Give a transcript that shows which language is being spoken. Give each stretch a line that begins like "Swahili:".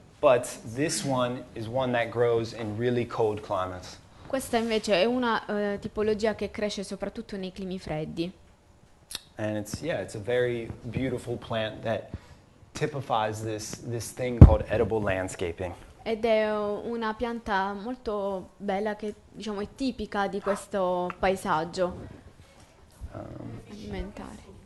English: But this one is one that grows in really cold climates.
Italian: Questa invece è una tipologia che cresce soprattutto nei climi freddi.
English: And it's a very beautiful plant that typifies this thing called edible landscaping.
Italian: Ed è una pianta molto bella che diciamo è tipica di questo paesaggio alimentare.